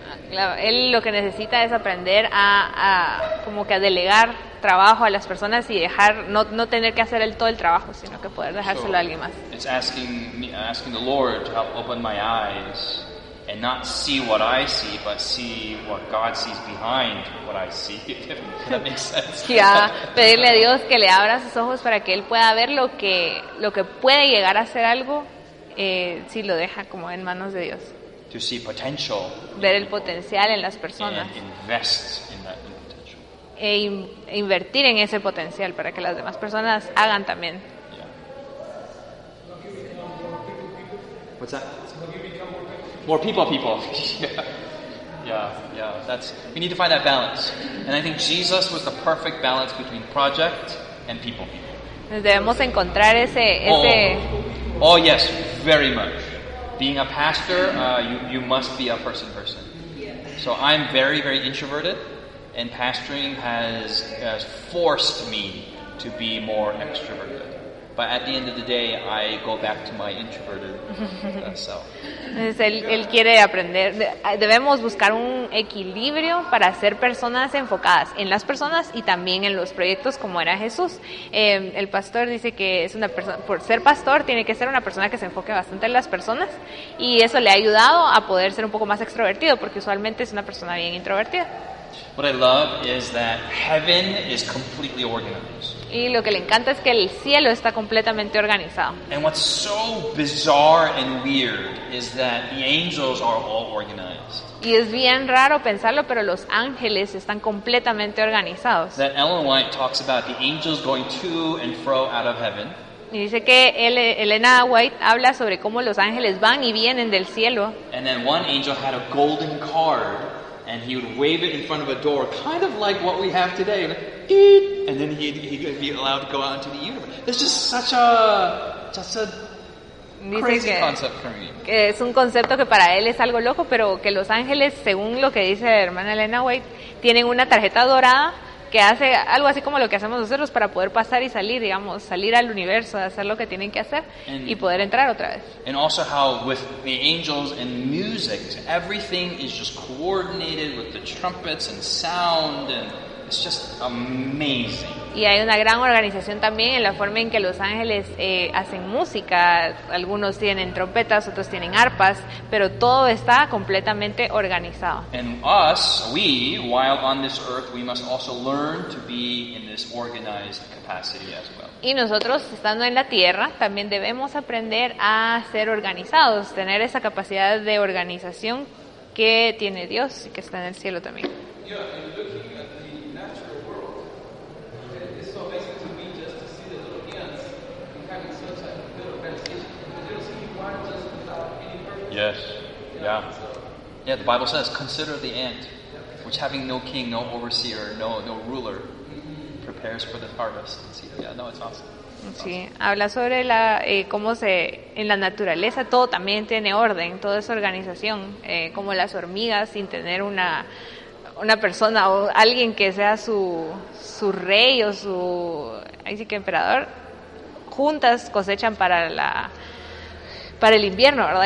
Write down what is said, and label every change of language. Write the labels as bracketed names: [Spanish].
[Spanish] Claro, él lo que necesita es aprender a como que a delegar trabajo a las personas y dejar no tener que hacer todo el trabajo, sino que poder dejárselo a alguien más. [English] It's asking the Lord to help open my eyes and not see what I see, but see what God sees behind what I see. That makes sense. [Spanish] Yeah, pedirle a Dios que le abra sus ojos para que él pueda ver lo que puede llegar a ser algo si lo deja como en manos de Dios. [English] To see potential. [Spanish] Ver el potencial en las personas. [English] And invest in that potential. [Spanish] E invertir en ese potencial para que las demás personas hagan también. [English] Yeah. What's that? More people. yeah. That's, we need to find that balance. And I think Jesus was the perfect balance between project and people. [Spanish] Debemos encontrar ese. [English] Oh yes, very much. Being a pastor, you must be a person. So I'm very, very introverted, and pastoring has forced me to be more extroverted. But at the end of the day, I go back to my introverted self. [Spanish] Entonces, él quiere aprender. Debemos buscar un equilibrio para ser personas enfocadas en las personas y también en los proyectos, como era Jesús. El pastor dice que es una persona, por ser pastor, tiene que ser una persona que se enfoque bastante en las personas, y eso le ha ayudado a poder ser un poco más extrovertido, porque usualmente es una persona bien introvertida. [English] What I love is that heaven is completely organized. [Spanish] Y lo que le encanta es que el cielo está completamente organizado. [English] And what's so bizarre and weird is that the angels are all organized. [Spanish] Y es bien raro pensarlo, pero los ángeles están completamente organizados. [English] That Ellen White talks about the angels going to and fro out of heaven. [Spanish] Y dice que Elena White habla sobre cómo los ángeles van y vienen del cielo. [English] And then one angel had a golden card. And he would wave it in front of a door, kind of like what we have today. And then he'd be allowed to go out into the universe. It's just such a [Spanish] dice [English] crazy [Spanish] que, [English] concept for me. [Spanish] Que es un concepto que para él es algo loco, pero que los ángeles, según lo que dice la hermana Elena White, tienen una tarjeta dorada que hace algo así como lo que hacemos nosotros para poder pasar y salir, digamos, salir al universo, hacer lo que tienen que hacer y poder entrar otra vez. [English] And also how with the angels and music, everything is just coordinated with the trumpets and sound, and it's just amazing. [Spanish] Y hay una gran organización también en la forma en que los ángeles hacen música. Algunos tienen trompetas, otros tienen arpas, pero todo está completamente organizado. [English] And us, we, while on this earth, we must also learn to be in this organized capacity as well. [Spanish] Y nosotros, estando en la tierra, también debemos aprender a ser organizados, tener esa capacidad de organización que tiene Dios y que está en el cielo también. [English] Yes. Yeah. Yeah, the Bible says, consider the ant, which having no king, no overseer, no ruler, prepares for the harvest. Yeah, no, it's awesome. [Spanish] Sí, habla sobre la cómo se en la naturaleza todo también tiene orden, todo es organización, como las hormigas sin tener una persona o alguien que sea su rey o su ahí sí que emperador, juntas cosechan para el invierno, ¿verdad?